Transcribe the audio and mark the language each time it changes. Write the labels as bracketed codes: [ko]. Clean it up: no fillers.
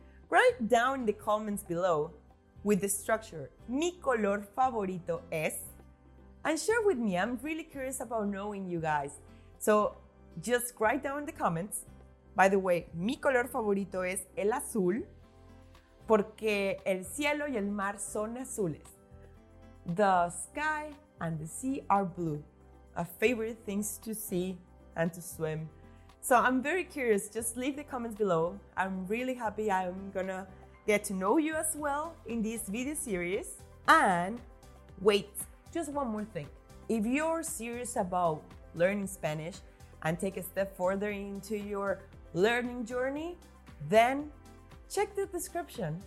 [en] Write down in the comments below with the structure, [es] mi color favorito es, [en] and share with me. I'm really curious about knowing you guys. So just write down in the comments. By the way, [es] mi color favorito es el azul, porque el cielo y el mar son azules. [en] The sky and the sea are blue. A favorite things to see and to swim. So I'm very curious, just leave the comments below. I'm really happy I'm gonna get to know you as well in this video series. And wait, just one more thing. If you're serious about learning Spanish and take a step further into your learning journey, then check the description.